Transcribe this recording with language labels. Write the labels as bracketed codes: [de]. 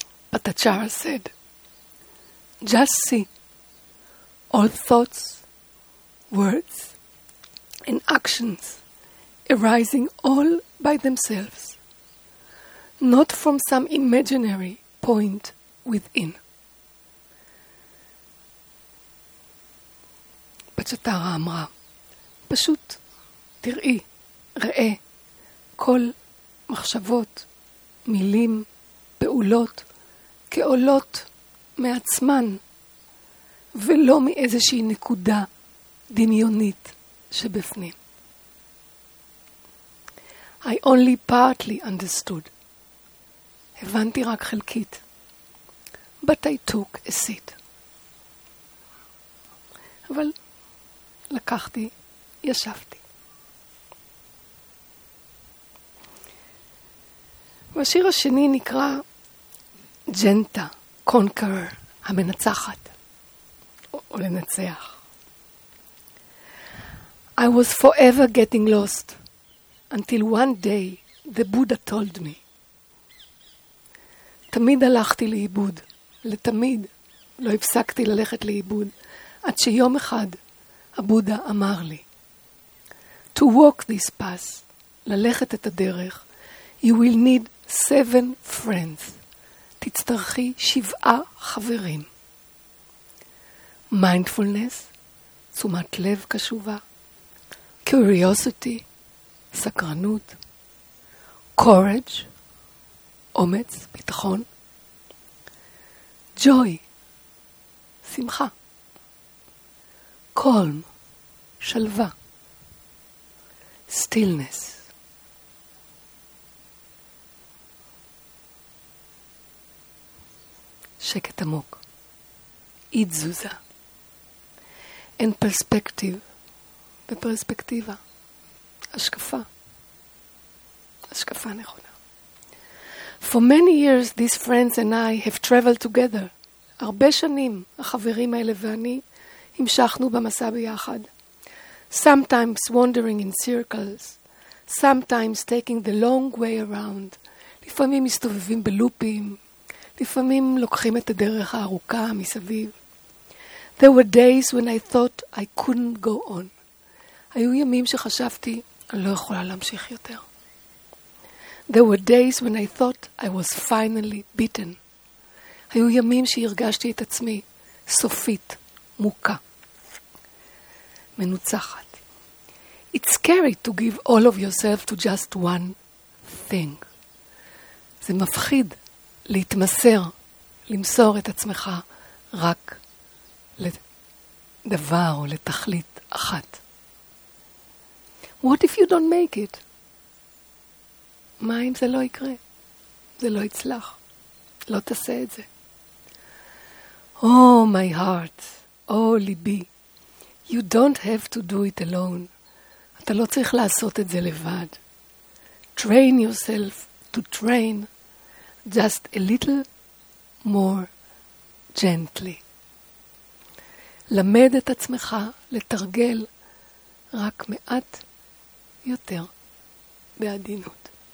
[en] פטצ'רה said, Just see, all thoughts, words, and actions arising all by themselves, not from some imaginary point within. [he] פצ'טרה אמרה, פשוט תראי, ראה, כל מחשבות, מילים, פעולות, כעולות מעצמן, ולא מאיזושהי נקודה דמיונית שבפנים. [en] I only partly understood. [he] הבנתי רק חלקית. [en] But I took a seat. [he] אבל לקחתי, ישבתי. והשיר השני נקרא ג'נטה, קונקרר, המנצחת. או לנצח. [en] I was forever getting lost. Until one day the Buddha told me. [he] תמיד הלכתי לאיבוד, לתמיד לא הפסקתי ללכת לאיבוד, עד שיום אחד הבודה אמר לי, [en] To walk this path, [he] ללכת את הדרך, [en] you will need 7 friends. [he] תצטרכי 7 חברים. Mindfulness, תשומת לב קשובה, curiosity, סקרנות, courage, אומץ, ביטחון, joy, שמחה, calm, שלווה, stillness, שקט עמוק, אי תזוזה, and perspective, ופרספקטיבה, השקפה, השקפה נכונה. [en] For many years these friends and I have traveled together. [he] הרבה שנים החברים האלה ואני המשכנו במסע ביחד. [en] Sometimes wandering in circles, sometimes taking the long way around. [he] לפעמים מסתובבים בלופים, לפעמים לוקחים את הדרך הארוכה מסביב. [en] There were days when I thought I couldn't go on. [he] היו ימים שחשבתי אני לא יכולה להמשיך יותר. [en] There were days when I thought I was finally beaten. [he] היו ימים שהרגשתי את עצמי סופית, מוקה, מנוצחת. [en] It's scary to give all of yourself to just one thing. [he] זה מפחיד להתמסר, למסור את עצמך רק לדבר או לתכלית אחת. [en] What if you don't make it? [he] מה אם זה לא יקרה? זה לא יצלח. לא תעשה את זה. [en] Oh, my heart. Oh, ליבי. You don't have to do it alone. [he] אתה לא צריך לעשות את זה לבד. [en] Train yourself to train just a little more gently. [he] למד את עצמך לתרגל רק מעט יותר בעדינות.